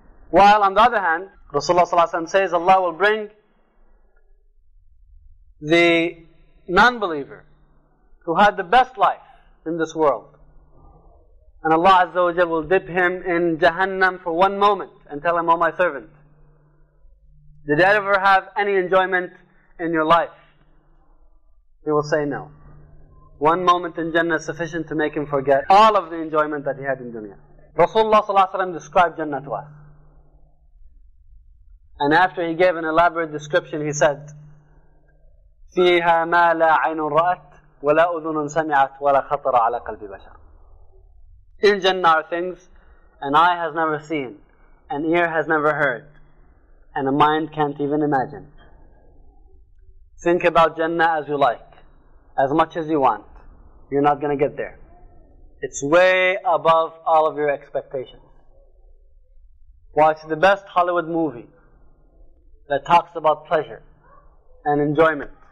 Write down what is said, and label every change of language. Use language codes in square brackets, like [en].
[en] While on the other hand, Rasulullah ﷺ says Allah will bring the non-believer who had the best life in this world, and Allah Azza wa Jal will dip him in Jahannam for one moment and tell him, oh my servant, did you ever have any enjoyment in your life? He will say no. One moment in Jannah is sufficient to make him forget all of the enjoyment that he had in dunya. Rasulullah ﷺ described Jannah to us. And after he gave an elaborate description, he said, [ar] فِيهَا مَا لَا عَيْنٌ رَأَتْ وَلَا أُذُنٌ سَمِعَتْ وَلَا خَطَرَ عَلَى قَلْبِ بَشَرٍ. [en] In Jannah are things an eye has never seen, an ear has never heard, and a mind can't even imagine. Think about Jannah as you like, as much as you want. You're not going to get there. It's way above all of your expectations. Watch the best Hollywood movie that talks about pleasure and enjoyment.